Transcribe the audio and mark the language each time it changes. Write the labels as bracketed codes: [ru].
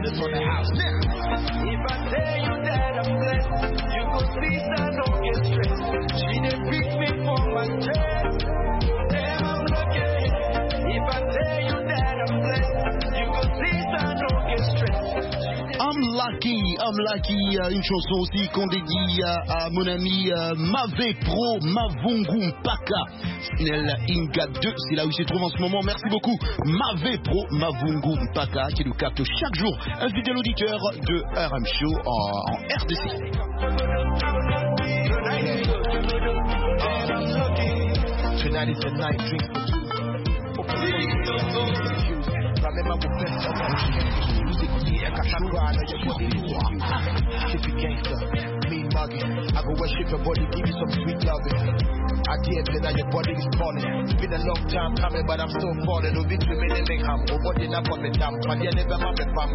[en] This on the house. Yeah. If I tell you that I'm blessed, you go see that I don't get stressed. She didn't pick me for my chest. Damn, I'm lucky. If I tell you that I'm blessed, you go see that I don't get stressed. I'm lucky, [fr] une chanson aussi qu'on dédie à mon ami Mavé Pro, Mavungu Mpaka, Snell Inga 2, c'est là où il se trouve en ce moment, merci beaucoup, Mavé Pro, Mavungu Mpaka, qui nous capte chaque jour, un fidèle auditeur de RM Show en RDC. [en] I go worship your body, give you some sweet loving. I dare say that your body is falling. It's been a long time coming, but I'm still falling. Who've been swimming in the ham? Who body not for me damn? My dear never mind the fam.